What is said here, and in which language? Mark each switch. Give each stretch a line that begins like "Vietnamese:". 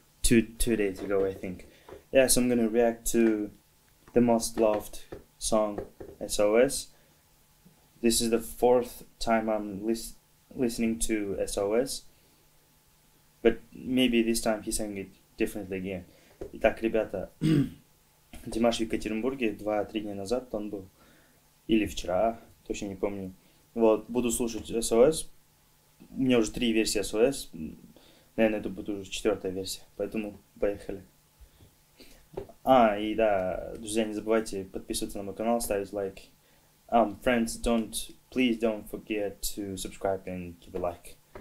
English: Two days ago, I think. Yeah, so I'm gonna react to the most loved song, SOS. This is the fourth time I'm listening to SOS, but maybe this time he sang it differently again.
Russian: Итак, ребята, Димаш в Екатеринбурге 2-3 дня назад он был. Или вчера, точно не помню. Вот, буду слушать SOS. У меня уже три версии SOS. Наверное, это будет уже четвертая версия. Поэтому поехали. А, и да, друзья, не забывайте подписываться на мой канал, ставить лайки.
English: Friends, don't, please don't forget to subscribe and give a like.